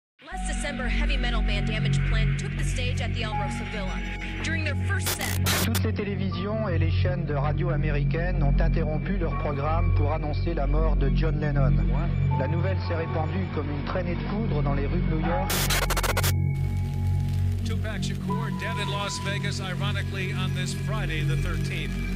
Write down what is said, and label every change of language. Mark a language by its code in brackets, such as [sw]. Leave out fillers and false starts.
[en] Last December, heavy metal band Damage Plan took the stage at the El Rosa Villa. During their first set, [fr] toutes les télévisions et les chaînes de radio américaines ont interrompu leur programme pour annoncer la mort de John Lennon. La nouvelle s'est répandue comme une traînée de poudre dans les rues de New York. [en] Tupac Shakur dead in Las Vegas, ironically, on this Friday the 13th.